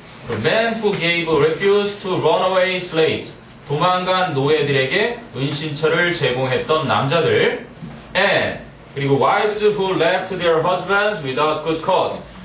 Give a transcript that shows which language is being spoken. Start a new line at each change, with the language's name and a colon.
English: the men who gave refuse to runaway slaves.
Korean: 도망간 노예들에게 은신처를 제공했던 남자들.
English: and,
Korean: 그리고
English: wives who left their husbands without good cause.